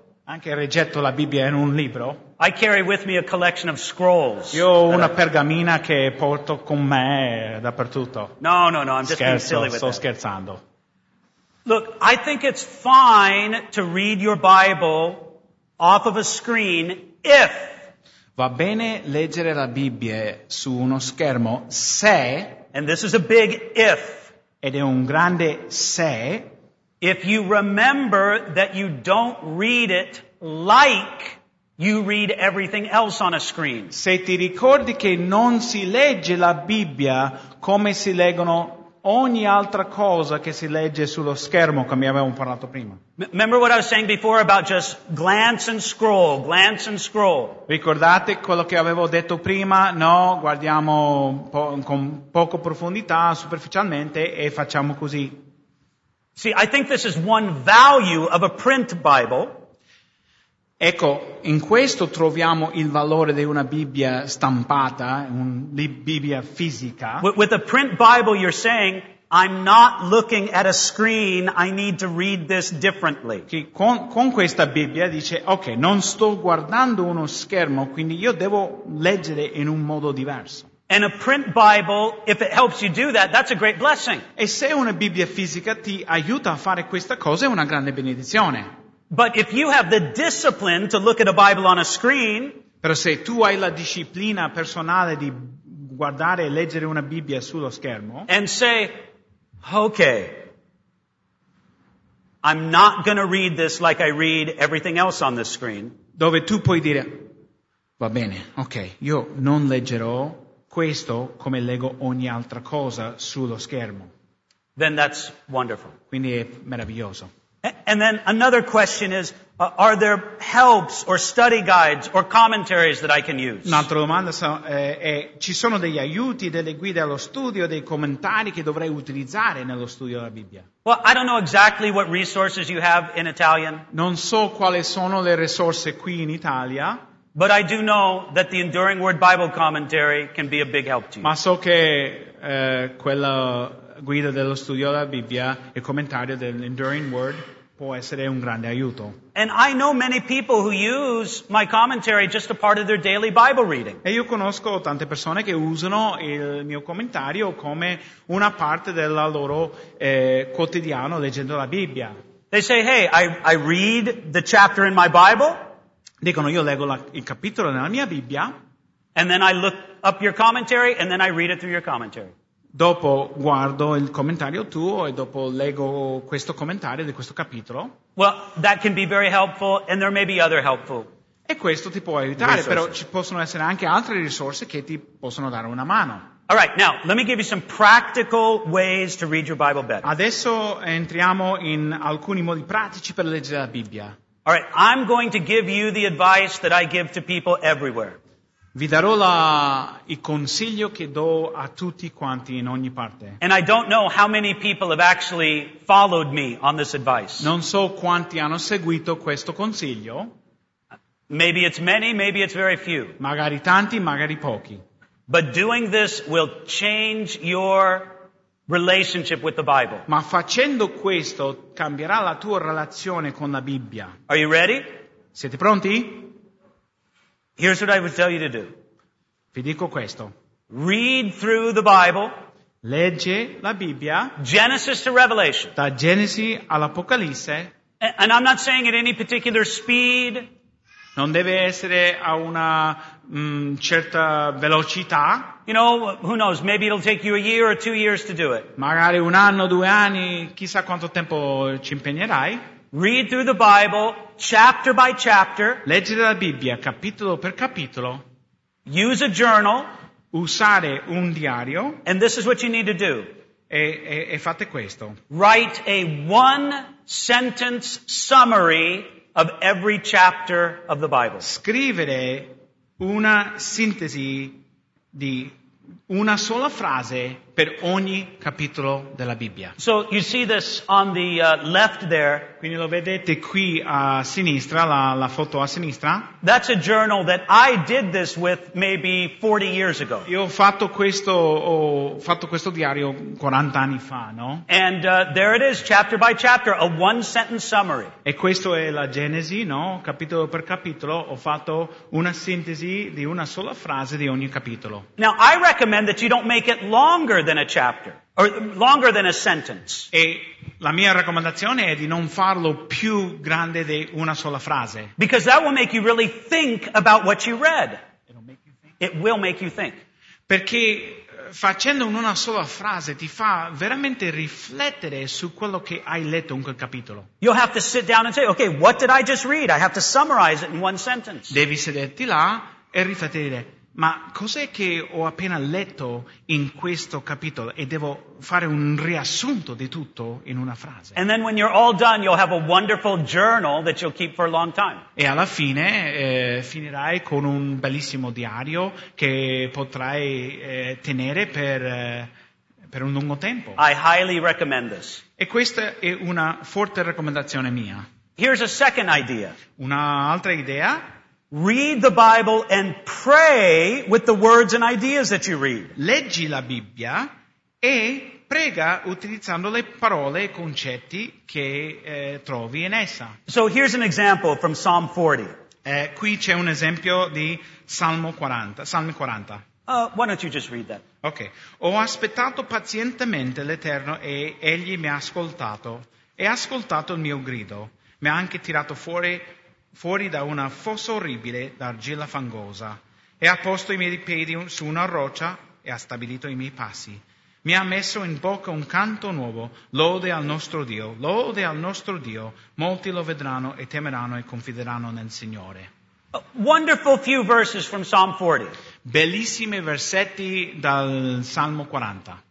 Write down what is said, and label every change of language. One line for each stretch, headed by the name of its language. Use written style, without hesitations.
Italian: Anche rigetto la Bibbia in un libro.
English: I carry with me a collection of scrolls.
Italian: Io ho una pergamena che porto con me dappertutto.
English: No, I'm just
Italian: scherzo,
English: being silly with
Italian: sto
English: that.
Italian: Sto scherzando.
English: Look, I think it's fine to read your Bible off of a screen if...
Italian: Va bene leggere la Bibbia su uno schermo se...
English: And this is a big if.
Italian: Ed è un grande se...
English: If you remember that you don't read it like you read everything else on a screen.
Italian: Se ti ricordi che non si legge la Bibbia come si leggono ogni altra cosa che si legge sullo schermo, come abbiamo parlato prima.
English: Remember what I was saying before about just glance and scroll, glance and scroll.
Italian: Ricordate quello che avevo detto prima? No, guardiamo con poco profondità, superficialmente, e facciamo così.
English: See, I think this is one value of a print Bible.
Italian: Ecco, in questo troviamo il valore di una Bibbia stampata, una Bibbia fisica.
English: With a print Bible you're saying, I'm not looking at a screen, I need to read this differently.
Italian: Che con questa Bibbia dice, ok, non sto guardando uno schermo, quindi io devo leggere in un modo diverso.
English: And a print Bible, if it helps you do that, that's a great blessing.
Italian: E se una Bibbia fisica ti aiuta a fare questa cosa, è una grande benedizione.
English: But if you have the discipline to look at a Bible on a screen,
Italian: però se tu hai la disciplina personale di guardare e leggere una Bibbia sullo schermo,
English: and say, okay, I'm not going to read this like I read everything else on this screen.
Italian: Dove tu puoi dire, va bene, ok, io non leggerò questo come leggo ogni altra cosa sullo schermo.
English: Then that's wonderful.
Italian: Quindi è meraviglioso.
English: And then another question is, are there helps or study guides or commentaries that I can use?
Italian: Un'altra domanda è, ci sono degli aiuti, delle guide allo studio, dei commentari che dovrei utilizzare nello studio della Bibbia?
English: Well, I don't know exactly what resources you have in Italian.
Italian: Non so quali sono le risorse qui in Italia.
English: But I do know that the Enduring Word Bible Commentary can be a big help to you.
Italian: Ma so che quella guida dello studio della Bibbia e commentario dell'Enduring Word può essere un grande aiuto.
English: And I know many people who use my commentary just a part of their daily Bible reading.
Italian: E io conosco tante persone che usano il mio commentario come una parte della loro quotidiano leggendo la Bibbia.
English: They say, hey, I read the chapter in my Bible.
Italian: Dicono, io leggo il capitolo nella mia Bibbia.
English: And then I look up your commentary, and then I read it through your commentary.
Italian: Dopo guardo il commentario tuo, e dopo leggo questo commentario di questo capitolo.
English: Well, that can be very helpful, and there may be other helpful.
Italian: E questo ti può aiutare, resources. Però ci possono essere anche altre risorse che ti possono dare una mano.
English: All right, now, let me give you some practical ways to read your Bible better.
Italian: Adesso entriamo in alcuni modi pratici per leggere la Bibbia.
English: All right, I'm going to give you the advice that I give to people everywhere.
Italian: Vi darò il consiglio che do a tutti quanti in ogni parte.
English: And I don't know how many people have actually followed me on this advice.
Italian: Non so quanti hanno seguito questo consiglio.
English: Maybe it's many, maybe it's very few.
Italian: Magari tanti, magari pochi.
English: But doing this will change your relationship with the Bible.
Italian: Ma facendo questo cambierà la tua relazione con la Bibbia.
English: Are you ready?
Italian: Siete pronti?
English: Here's what I would tell you to do.
Italian: Vi dico questo.
English: Read through the Bible.
Italian: Legge la Bibbia.
English: Genesis to Revelation.
Italian: Da Genesi all'Apocalisse.
English: And I'm not saying at any particular speed.
Italian: Non deve essere a una certa velocità.
English: You know, who knows, maybe it'll take you a year or 2 years to do it.
Italian: Magari un anno, due anni, chissà quanto tempo ci impegnerai.
English: Read through the Bible chapter by chapter.
Italian: Leggere la Bibbia capitolo per capitolo.
English: Use a journal.
Italian: Usare un diario.
English: And this is what you need to do.
Italian: E fate questo.
English: Write a one sentence summary of every chapter of the Bible.
Italian: Scrivere una sintesi di una sola frase per ogni capitolo della Bibbia.
English: So you see this on the left there.
Italian: Quindi lo vedete qui a sinistra, la foto a sinistra.
English: That's a journal that I did this with maybe 40 years ago.
Italian: Io ho fatto questo diario 40 anni fa, no?
English: And there it is, chapter by chapter, a one sentence summary.
Italian: E questo è la Genesi, no? Capitolo per capitolo ho fatto una sintesi di una sola frase di ogni capitolo.
English: Now I recommend that you don't make it longer than a chapter, or longer than a sentence.
Italian: E la mia raccomandazione è di non farlo più grande di una sola frase.
English: Because that will make you really think about what you read. It will make you think.
Italian: Perché facendo una sola frase ti fa veramente riflettere su quello che hai letto in quel capitolo.
English: You'll have to sit down and say, okay, what did I just read? I have to summarize it in one sentence.
Italian: Devi sederti là e riflettere. Ma cos'è che ho appena letto in questo capitolo e devo fare un riassunto di tutto in una frase?
English: And then when you're all done, you'll have a wonderful journal that you'll keep for a long time.
Italian: E alla fine finirai con un bellissimo diario che potrai tenere per un lungo tempo.
English: I highly recommend this.
Italian: E questa è una forte raccomandazione mia.
English: Here's a second idea.
Italian: Un'altra idea.
English: Read the Bible and pray with the words and ideas that you read.
Italian: Leggi la Bibbia e prega utilizzando le parole e concetti che trovi in essa.
English: So here's an example from Psalm 40.
Italian: Qui c'è un esempio di Salmi 40.
English: Why don't you just read that? Okay.
Italian: Ho aspettato pazientemente l'Eterno e Egli mi ha ascoltato e ha ascoltato il mio grido. Mi ha anche tirato fuori da una fossa orribile d'argilla fangosa, e ha posto i miei piedi su una roccia e ha stabilito i miei passi. Mi ha messo in bocca un canto nuovo, lode al nostro Dio, lode al nostro Dio. Molti lo vedranno e temeranno e confideranno nel Signore.
English: A wonderful few verses from Psalm 40.
Italian: Bellissimi versetti dal Salmo 40.